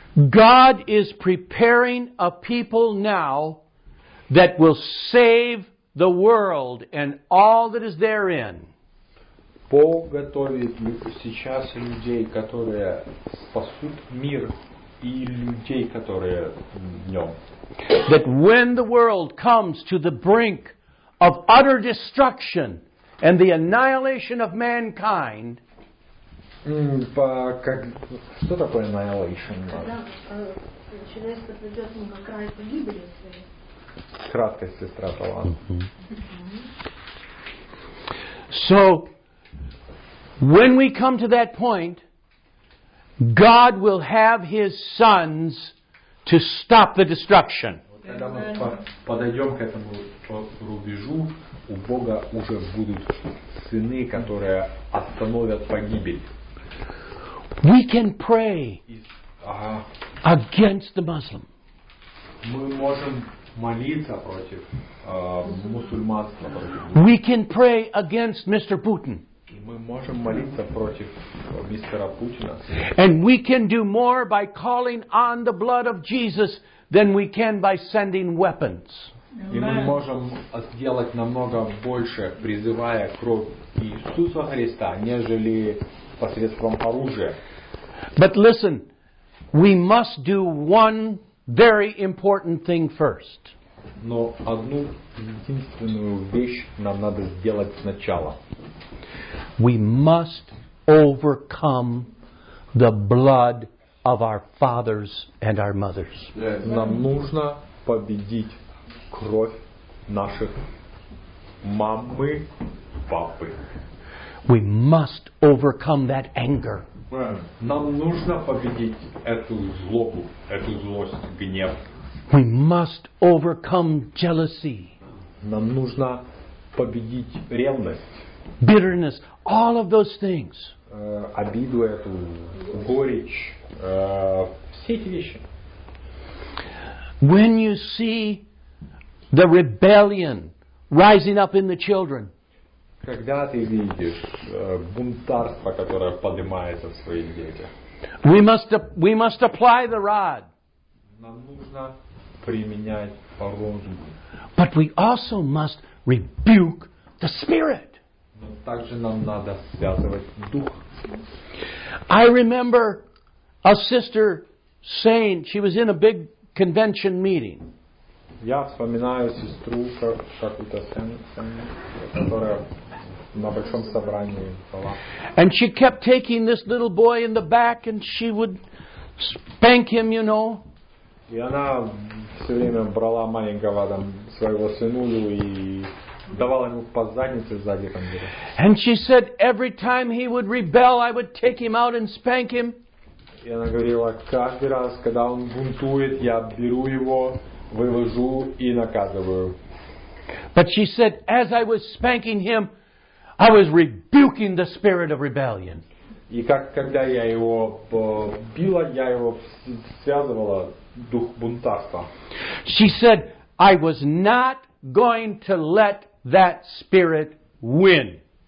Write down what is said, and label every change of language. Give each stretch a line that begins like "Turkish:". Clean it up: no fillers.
English: God is preparing a people now that will save the world and all that is therein.
Russian: Бог готовит сейчас людей, которые спасут мир и людей, которые в нем.
English: That when the world comes to the brink of utter destruction and the annihilation of mankind,
Russian: как что такое annihilation? Когда человек придет на край погибели своей. Краткость, сестра Талан.
English: So when we come to that point, God will have His sons to stop the destruction.
Russian: Когда мы подойдем к этому рубежу, у Бога уже будут сыны, которые остановят погибель.
English: We can pray against the Muslim.
Russian: Мы можем молиться против мусульманства.
English: We can pray against Mr. Putin.
Russian: Мы можем молиться против мистера Путина.
English: And we can do more by calling on the blood of Jesus than we can by sending weapons.
Russian: И мы можем сделать намного больше, призывая кровь Иисуса Христа, нежели посредством оружия.
English: But listen, we must do one very important thing first.
Russian: Но одну единственную вещь нам надо сделать сначала.
English: We must overcome the blood of our fathers and our mothers.
Russian: Нам нужно победить кровь наших мамы, папы.
English: We must overcome that anger.
Russian: Нам нужно победить эту злобу, эту злость, гнев.
English: We must overcome jealousy.
Russian: Нам нужно победить ревность.
English: Bitterness, all of those things.
Russian: Обиду эту, горечь, все эти вещи.
English: When you see the rebellion rising up in the children,
Russian: когда ты видишь бунтарство, которое поднимается в своих детях.
English: We must apply the rod.
Russian: Нам нужно применять по-розуму.
English: But we also must rebuke the spirit.
Russian: Но также нам надо связывать дух.
English: I remember a sister saying she was in a big convention meeting.
Russian: Я вспоминаю сестру какую-то которая на большом собрании.
English: And she kept taking this little boy in the back and she would spank him, you know.
Russian: И она все время брала маленького там своего сыну и давала ему по заднице сзади там.
English: And she said every time he would rebel, I would take him out and spank him.
Russian: И она говорила, каждый раз, когда он бунтует, я беру его, вывожу и наказываю.
English: But she said as I was spanking him, I was rebuking the spirit of rebellion.
Russian: И как когда я его била, я его связывала дух бунтарства.
English: She said, "I was not going to let that spirit win."